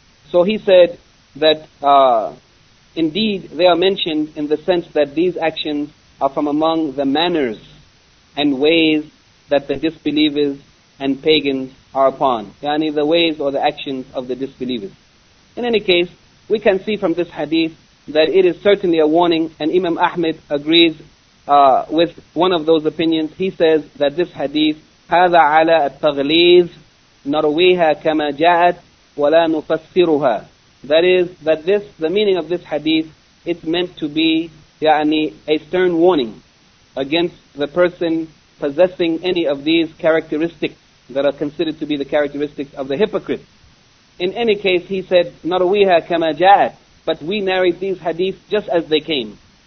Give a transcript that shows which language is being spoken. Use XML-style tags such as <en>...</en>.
<en>So he said that indeed they are mentioned in the sense that these actions are from among the manners and ways that the disbelievers and pagans are upon. Yani the ways or the actions of the disbelievers. In any case, we can see from this hadith that it is certainly a warning, and Imam Ahmed agrees with one of those opinions. He says that this hadith,</en> <ar>هذا على التغليظ نرويها كما جاءت ولا نفسرها.</ar> <en>That is, that this, the meaning of this hadith, it's meant to be يعني, a stern warning against the person possessing any of these characteristics that are considered to be the characteristics of the hypocrite. In any case, he said,</en> <ar>نرويها كما جاءت.</ar> <en>But we narrate these hadith just as they came.</en>